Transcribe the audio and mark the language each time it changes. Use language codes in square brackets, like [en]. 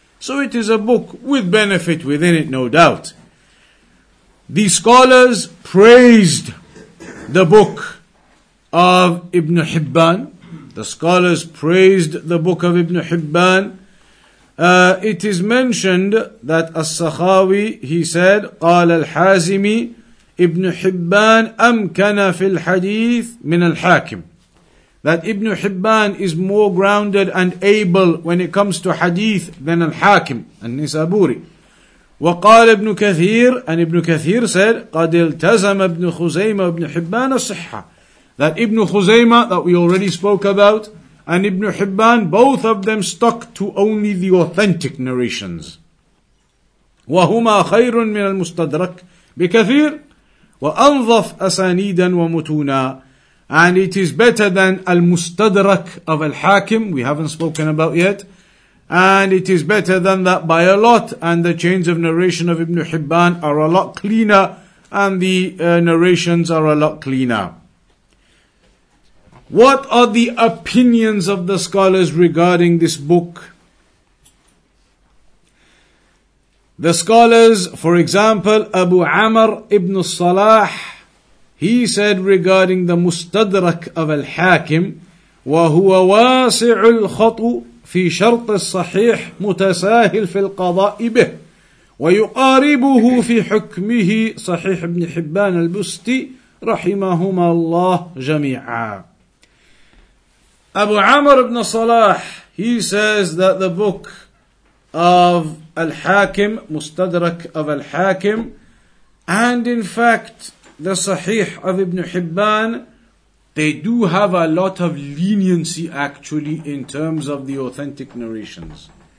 [en] So it is a book with benefit within it, no doubt. The scholars praised the book of Ibn Hibban. The scholars praised the book of Ibn Hibban. It is mentioned that As-Sakhawi, he said, [ar] قال الحازمي ابن حبان أمكن في الحديث من الحاكم. [en] that Ibn Hibban is more grounded and able when it comes to hadith than Al Hakim and Nisaburi. [ar] وقال ابن كثير [en] and Ibn Kathir said [ar] قد التزم ابن خزيمة ابن حبان الصحة. [en] That Ibn Khuzaymah that we already spoke about and Ibn Hibban, both of them stuck to only the authentic narrations. [ar] وهما خير من المستدرك بكثير وأنظف أسانيدا ومتونا. [en] And it is better than al-mustadrak of al-hakim, we haven't spoken about yet. And it is better than that by a lot, and the chains of narration of Ibn Hibban are a lot cleaner, and the narrations are a lot cleaner. What are the opinions of the scholars regarding this book? The scholars, for example, Abu Amr ibn Salah, he said regarding the Mustadrak of Al-Hakim, [ar] وَهُوَ وَاسِعُ الْخَطُ فِي شَرْطِ الصَّحِيحِ مُتَسَاهِلْ فِي الْقَضَاءِ بِهِ وَيُقَارِبُهُ فِي حُكْمِهِ صَحِيحِ ابْنِ حِبَّانَ الْبُسْتِ رَحِمَهُمَا اللَّهُ جَمِيعًا. [en] Abu Amr ibn Salah, he says that the book of Al-Hakim, Mustadrak of Al-Hakim, and in fact the Sahih of Ibn Hibban, they do have a lot of leniency actually in terms of the authentic narrations.